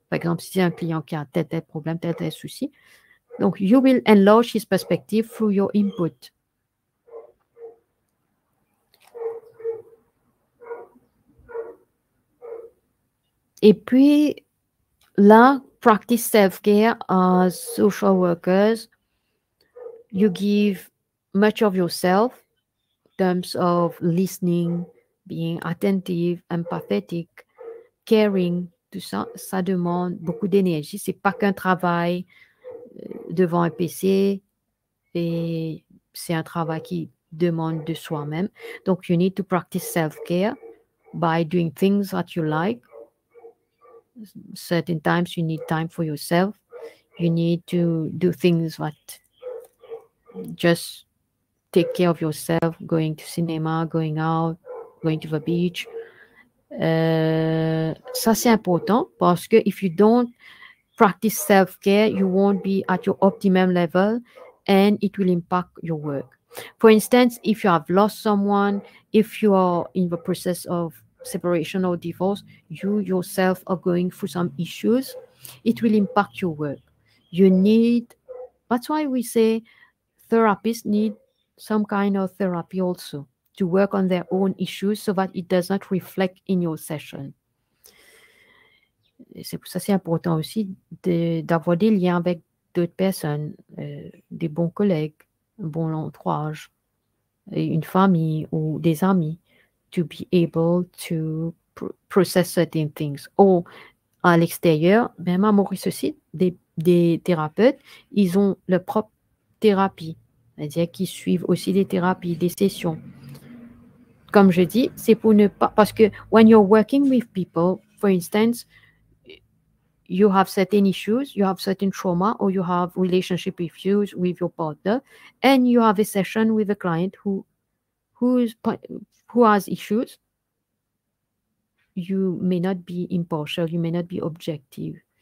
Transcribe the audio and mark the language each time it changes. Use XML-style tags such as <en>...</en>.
<fr>Par exemple, si c'est un client qui a tel problème, tel souci. Donc,</fr> <en>you will enlarge his perspective through your input.</en> <fr>Et puis, là,</fr> <en>practice self-care as social workers. You give much of yourself in terms of listening, being attentive, empathetic, caring,</en> <fr>tout ça. Ça demande beaucoup d'énergie. C'est pas qu'un travail devant un PC et c'est un travail qui demande de soi-même. Donc,</fr> <en>you need to practice self-care by doing things that you like. Certain times you need time for yourself. You need to do things that just take care of yourself, going to cinema, going out, going to the beach.</en> <fr>Ça, c'est important parce que</fr> <en>if you don't practice self-care, you won't be at your optimum level and it will impact your work. For instance, if you have lost someone, if you are in the process of separation or divorce, you yourself are going through some issues, it will impact your work. You need, that's why we say therapists need some kind of therapy also to work on their own issues so that it does not reflect in your session.</en> <fr>Et c'est pour ça, c'est important aussi d'avoir des liens avec d'autres personnes, des bons collègues, un bon entourage, une famille ou des amis.</fr> <en>To be able to process certain things.</en> <fr>Or, à l'extérieur, même à Maurice aussi, des thérapeutes, ils ont leur propre thérapie. C'est-à-dire qu'ils suivent aussi des thérapies, des sessions. Comme je dis, c'est pour ne pas... Parce que</fr> <en>when you're working with people, for instance, you have certain issues, you have certain trauma, or you have relationship issues with your partner, and you have a session with a client who has issues, you may not be impartial, you may not be objective.</en>